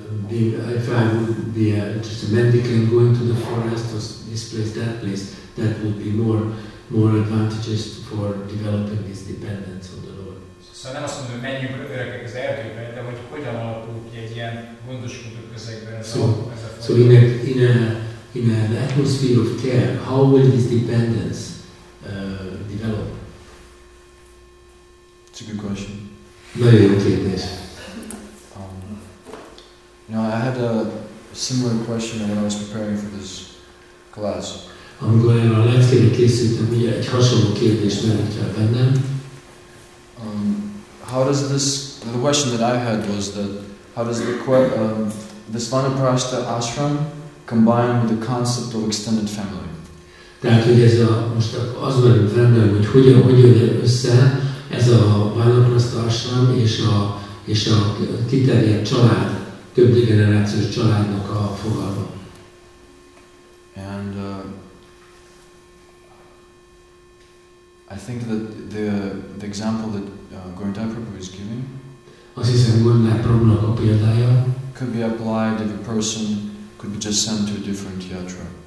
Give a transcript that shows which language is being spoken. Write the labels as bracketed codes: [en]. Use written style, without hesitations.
[en] If I was just a mendicant going to the forest or this place, that place, that would be more advantageous for developing this dependence on the Lord. [hu] Szóval nem azt mondom, hogy menjünk öregek az erdőben, de hogy hogyan alakul ki egy ilyen gondoskodó közegben ez a fontos. [en] So in an atmosphere of care, how will this dependence develop? It's a good question. [hu] Nagyon jó kérdés. [en] I had a similar question when I was preparing for this class. [hu] Amikor én a leckére készültem, ugye egy hasonló kérdést merültem bennem. [en] The question that I had was that how does this Vanaprastha ashram combine with the concept of extended family? [hu] Tehát, hogy ez a most az merült bennem, hogy hogyan jön össze ez a Vanaprastha ashram és a kiterjedt család, több generációs családnak a fogalma. [en] And I think that the example that Gurdjieff Prabhu is giving. [hu] Azt hiszem, Gurdjieff Prabhunak a példája. [en] Could be applied if a person could be just sent to a different yatra.